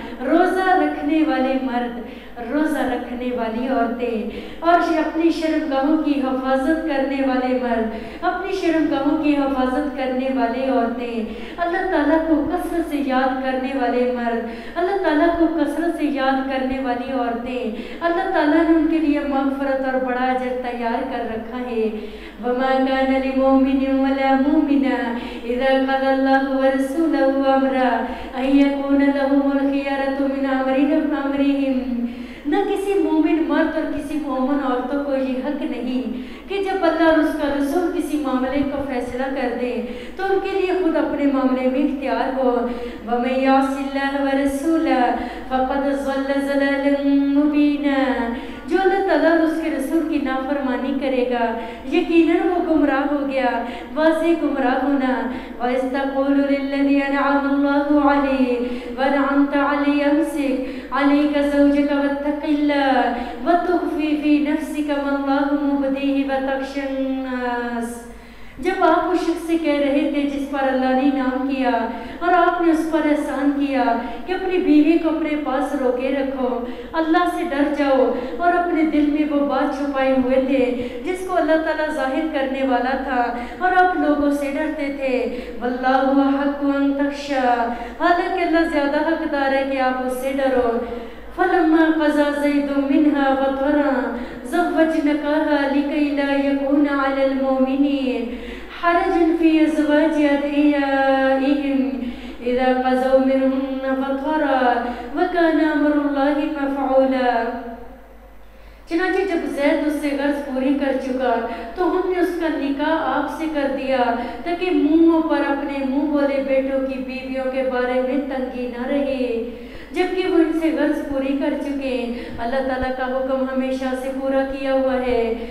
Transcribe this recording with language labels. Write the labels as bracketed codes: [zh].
[ur] روزہ رکھنے والے مرد, روزہ رکھنے والی عورتیں اور اپنی شرمگاہوں کی حفاظت کرنے والے مرد, اپنی شرمگاہوں کی حفاظت کرنے والی عورتیں, اللہ تعالیٰ کو کثرت سے یاد کرنے والے مرد, اللہ تعالیٰ کو کثرت سے یاد کرنے والی عورتیں, اللہ تعالیٰ نے ان کے لیے مغفرت اور بڑا اجر تیار کر رکھا ہے. [ar] وما كان لمؤمن ولا مؤمنة إذا قضى الله ورسوله أمرا أن يكون لهم الخيارة من أمرهم. [ur] نہ کسی مومن مرد اور کسی مومن عورتوں کو یہ حق نہیں کہ جب اللہ اور اس کا رسول کسی معاملے کا فیصلہ کر دے تو ان کے لیے خود اپنے معاملے میں اختیار ہو. [ar] وَمَن يَعْصِ اللَّهَ وَرَسُولَهُ فَقَدْ ضَلَّ ضَلَالًا مُبِينًا. [ur] جو اللہ تعالیٰ اور اس کے رسول کی نافرمانی کرے گا یقیناً وہ گمراہ ہو گیا, واضح گمراہ ہونا. [ar] وَاسْتَقُولُ لِلَّذِي أَنْعَمَ اللَّهُ عَلَيْهِ وَأَنْعَمْتَ عَلَيْهِ أَمْسِكْ عَلَيْكَ زَوْجَكَ وَاتَّقِ اللَّهَ وَتُخْفِي فِي نَفْسِكَ مَا اللَّهُ مُبْدِيهِ وَتَخْشَى النَّاسَ. [ur] جب آپ اس شخص سے کہہ رہے تھے جس پر اللہ نے انعام کیا اور آپ نے اس پر احسان کیا کہ اپنی بیوی کو اپنے پاس روکے رکھو, اللہ سے ڈر جاؤ, اور اپنے دل میں وہ بات چھپائے ہوئے تھے جس کو اللہ تعالیٰ ظاہر کرنے والا تھا اور آپ لوگوں سے ڈرتے تھے. [ar] واللہ حق ان تخشى, [ur] حالانکہ اللہ زیادہ حقدار ہے کہ آپ اس سے ڈرو. [ar] فلما قضى زيد منها وطرا زوجنكها لكي لا يكون على المؤمنين حرج في ازواج ادعيائهم اذا قضوا منهن وطرا وكان امر الله مفعولا. [ur] چنانچہ جب زید اس سے غرض پوری کر چکا تو ہم نے اس کا نکاح آپ سے کر دیا تاکہ منہوں پر اپنے منہ والے بیٹوں کی بیویوں کے بارے میں تنگی نہ رہے جبکہ وہ ان سے غرض پوری کر چکے ہیں. اللہ تعالیٰ کا حکم ہمیشہ سے پورا کیا ہوا ہے.